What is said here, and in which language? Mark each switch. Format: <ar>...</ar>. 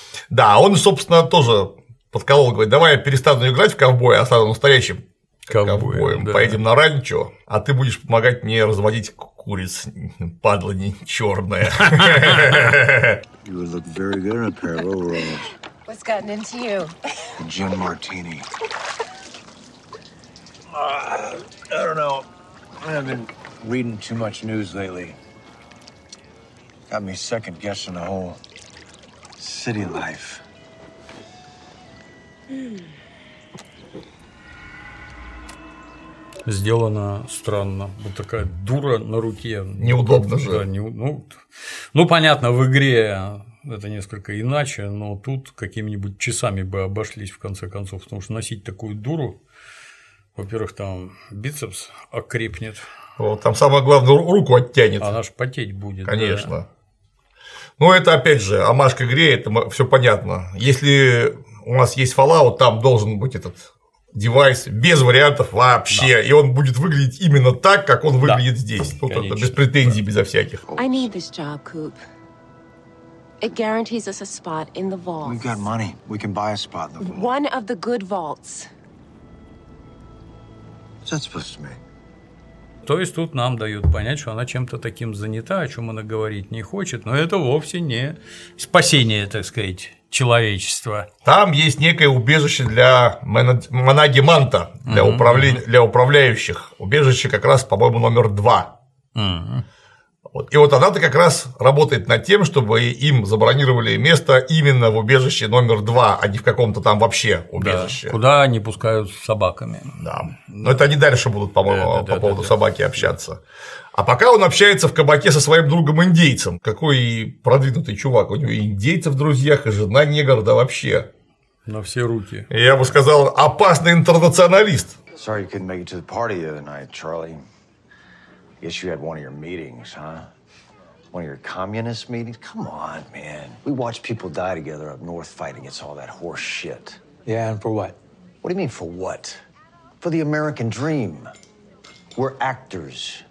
<ru>Да, он, собственно, тоже подколол, говорит, давай я перестану играть в ковбоя, а стану настоящим ковбоем, да. Поедем на ранчо, а ты будешь помогать мне разводить куриц, падла не чёрная.</ru> <en>You would look very good in a parallel world. What's gotten into you? Gin martini. I don't know. I've been reading too much news lately. Got me second guessing the whole city life.</en> <ru>Сделано странно. Вот такая дура на руке. Неудобно же. Да, ну, понятно, в игре это несколько иначе, но тут какими-нибудь часами бы обошлись в конце концов, потому что носить такую дуру, во-первых, там бицепс окрепнет. Вот, там самое главное – руку оттянет. Она ж потеть будет. Конечно. Да. Ну, это опять же омаж к игре, это все понятно. Если у нас есть Fallout, там должен быть этот… девайс без вариантов вообще, да. И он будет выглядеть именно так, как он выглядит, да, здесь. Тут это без претензий, да, безо всяких.</ru> <en>I need this job, Coop. It guarantees us a spot in the vault. We've got money. We can buy a spot in the vault. One of the good vaults. What's that supposed to mean?</en> <ru>То есть тут нам дают понять, что она чем-то таким занята, о чем она говорить не хочет, но это вовсе не спасение, так сказать, человечества. Там есть некое убежище для манагиманта, для, uh-huh, для управляющих. Убежище как раз, по-моему, номер 2. Uh-huh. Вот. И вот она-то как раз работает над тем, чтобы им забронировали место именно в убежище номер 2, а не в каком-то там вообще убежище. Да, куда они пускают с собаками. Да. Но это они дальше будут, по-моему, по поводу собаки общаться. А пока он общается в кабаке со своим другом-индейцем. Какой продвинутый чувак. У него и индейцы в друзьях, и жена негр, да вообще. На все руки. Я бы сказал, опасный интернационалист.</ru> <en>Sorry you couldn't make it to the party the other night, Charlie. Guess you had one of your meetings, huh? One of your communist meetings? Come on, man. We watch people die together up north fighting. It's all that horse shit. Yeah, and for what? What do you mean for what? For the American dream. We're actors.</en>